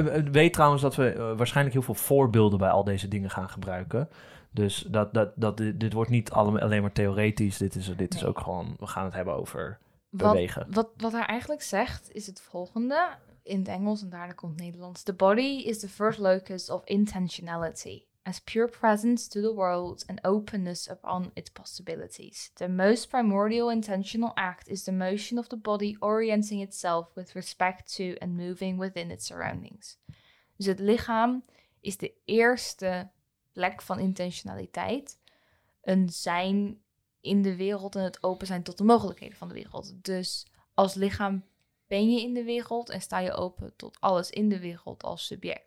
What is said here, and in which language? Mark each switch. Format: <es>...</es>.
<nl>Weet trouwens dat we waarschijnlijk heel veel voorbeelden bij al deze dingen gaan gebruiken. Dus dit wordt niet alleen maar theoretisch. Dit is ook gewoon, we gaan het hebben over bewegen. Wat hij eigenlijk zegt is het volgende in het Engels en daarna komt het Nederlands.</nl> <en>The body is the first locus of intentionality. As pure presence to the world and openness upon its possibilities. The most primordial intentional act is the motion of the body orienting itself with respect to and moving within its surroundings.</en> <nl>Dus het lichaam is de eerste plek van intentionaliteit. Een zijn in de wereld en het open zijn tot de mogelijkheden van de wereld. Dus als lichaam ben je in de wereld en sta je open tot alles in de wereld als subject.</nl>